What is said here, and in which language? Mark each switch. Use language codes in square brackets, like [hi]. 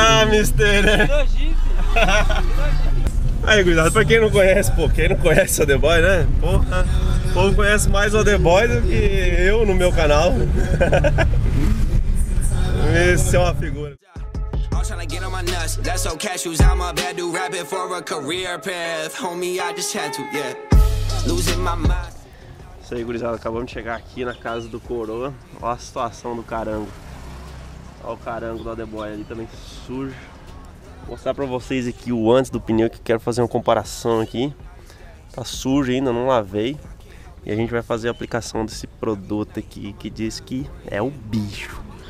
[en] Mister. [pt] Aí, cuidado, pra quem não conhece, pô, quem não conhece o The Boy, né? Porra, o povo conhece mais o The Boy do que eu no meu canal. Esse é uma figura. [en] Trying to get on my nuts, that's so cashews. I'm a bad dude rapping for a career path. Homie, I just had to, yeah. Losing my mind. [pt] Isso aí, gurizada, acabamos de chegar aqui na casa do Coroa. Olha a situação do carango. Olha o carango do The Boy ali também, sujo. Vou mostrar pra vocês aqui o antes do pneu, que eu quero fazer uma comparação aqui. Tá sujo ainda, não lavei. E a gente vai fazer a aplicação desse produto aqui, que diz que é o bicho.